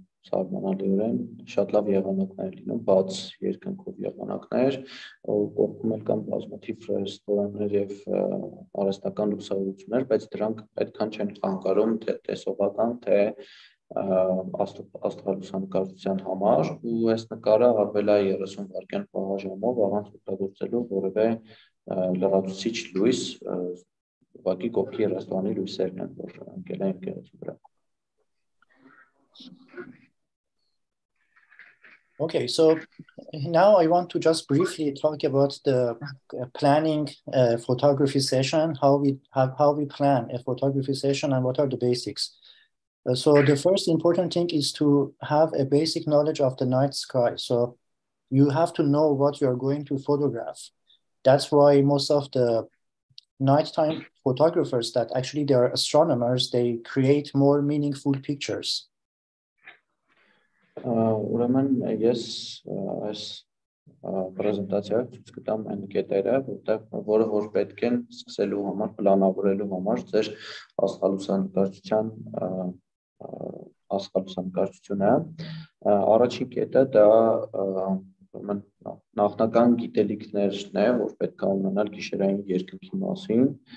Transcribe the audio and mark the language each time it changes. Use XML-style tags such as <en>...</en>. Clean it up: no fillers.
<hy>սարմանալիորեն շատ լավ եղանակներ լինում, բաց երկնքով եղանակներ, կողքում էլ կան բազմաթիվ ռեստորաններ եւ արհեստական լուսավորություններ, բայց դրանք այդքան չեն խանգարում թե տեսողական, թե աստղալուսանկարչության համար, ու այս նկարը արվել է 30 վայրկյան պահաժամով առանց օգտագործելու որևէ լրացուցիչ լույս, ուղղակի կողքի ռեստորանի լույսերն են, որ ընկել են գեղեցիկ վրա։</hy> <en>Okay, so now I want to just briefly talk about the planning photography session, how we plan a photography session and what are the basics. So the first important thing is to have a basic knowledge of the night sky. So you have to know what you are going to photograph. That's why most of the nighttime photographers that actually they are astronomers, they create more meaningful pictures.</en> <hy>Ուրեմն ես այս պրեզենտացիա ցույց կտամ այն կետերը, որտեղ որը որ պետք են սկսելու համար, պլանավորելու համար ձեր աստղալուսանկարչությունը։ Առաջին կետը դա ուրեմն նախնական գիտելիքներն է, որ պետք է ունենալ գիշերային երկնքի մասին,</hy>